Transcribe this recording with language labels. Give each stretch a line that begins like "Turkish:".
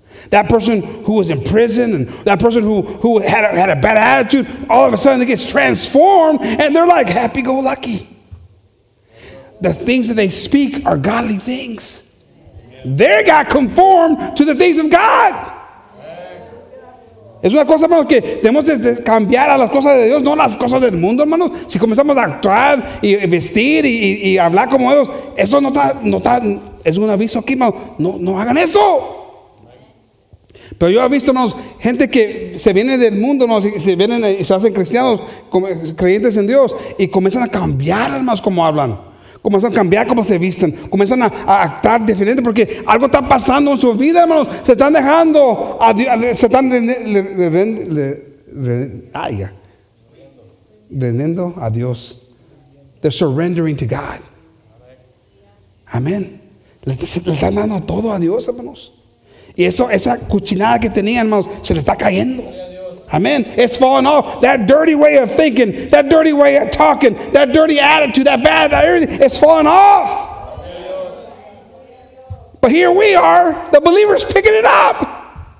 English: That person who was in prison, and that person who had a bad attitude, all of a sudden, they get transformed, and they're like happy-go-lucky. The things that they speak are godly things. They got conformed to the things of God.
Spanish: Es una cosa, hermanos, que tenemos que cambiar a las cosas de Dios, no las cosas del mundo, hermanos. Si comenzamos a actuar y vestir y hablar como ellos, eso no está, es un aviso aquí, hermanos. No hagan eso. Pero yo he visto unos gente que se viene del mundo, ¿no? Se vienen y se hacen cristianos, creyentes en Dios, y comienzan a cambiar más como hablan. Comienzan a cambiar cómo se visten, comienzan a actuar diferente porque algo está pasando en su vida, hermanos. Se están dejando a Dios, se están rendiendo a Dios.
English: They're surrendering to God. Amén.
Spanish: Le están dando todo a Dios, hermanos. Y eso, esa cuchinada que tenían, hermanos, se le está cayendo.
English: Amen. It's falling off. That dirty way of thinking, that dirty way of talking, that dirty attitude, that bad attitude, it's falling off. But here we are, the believers picking it up.